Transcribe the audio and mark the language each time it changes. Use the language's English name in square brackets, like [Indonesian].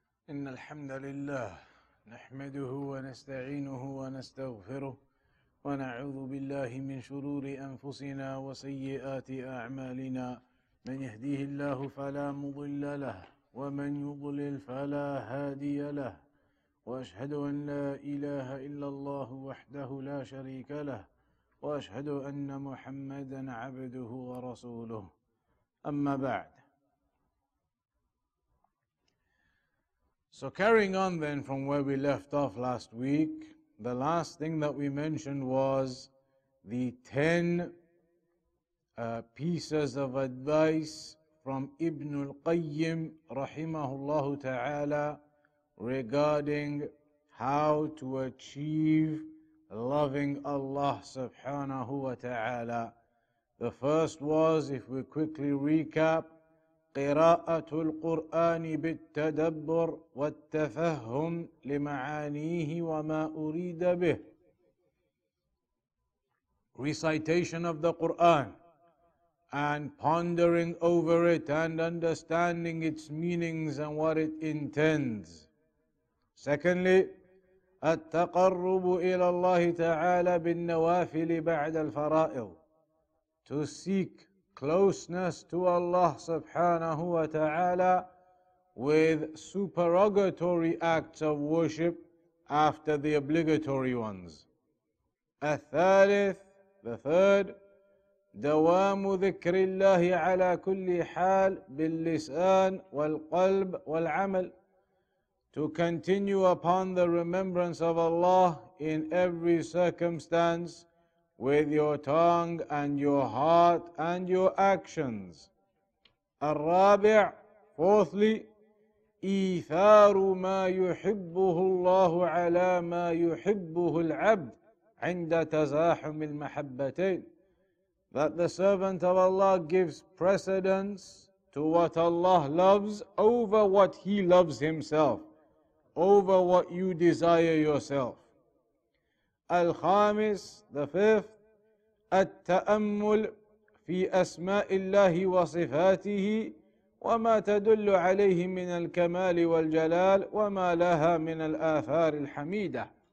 [Arabic] إن الحمد لله نحمده ونستعينه ونستغفره ونعوذ بالله من شرور أنفسنا وسيئات أعمالنا، من يهديه الله فلا مضل له ومن يضلل فلا هادي له، وأشهد أن لا إله إلا الله وحده لا شريك له، وأشهد أن محمدا عبده ورسوله، أما بعد. [English] So carrying on then from where we left off last week, the last thing that we mentioned was the 10 pieces of advice from Ibn al-Qayyim rahimahullahu ta'ala regarding how to achieve loving Allah subhanahu wa ta'ala. The first was, if we quickly recap, [Arabic] قراءة القرآن بالتدبر والتفهم لمعانيه وما أريد به. [English] Recitation of the Quran and pondering over it and understanding its meanings and what it intends. Secondly, [Arabic] التقرب إلى الله تعالى بالنوافل بعد الفرائض. [English] To seek closeness to Allah subhanahu wa ta'ala with supererogatory acts of worship after the obligatory ones. [Arabic] الثالث, [English] the third, [Arabic] دوام ذكر الله على كل حال باللسان والقلب والعمل. [English] To continue upon the remembrance of Allah in every circumstance with your tongue and your heart and your actions. [Arabic] الرابع, [English] fourthly, [Arabic] إيثار ما يحبه الله على ما يحبه العبد عند تزاحم المحبتين. [English] That the servant of Allah gives precedence to what Allah loves over what he loves himself, over what you desire yourself. [Arabic] الخامس, [English] the fifth, [Arabic] التأمل في أسماء الله وصفاته وما تدل عليه من الكمال والجلال وما لها من الآثار الحميدة.